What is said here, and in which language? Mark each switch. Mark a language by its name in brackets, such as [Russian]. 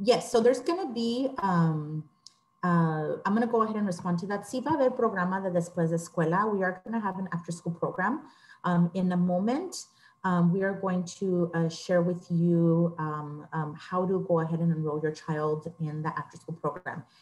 [English] So there's gonna be I'm gonna go ahead and respond to that. [Spanish] Sí va a haber programa de después de escuela. [English] We are gonna have an after school program in a moment. We are going to share with you how to go ahead and enroll your child in the after school program.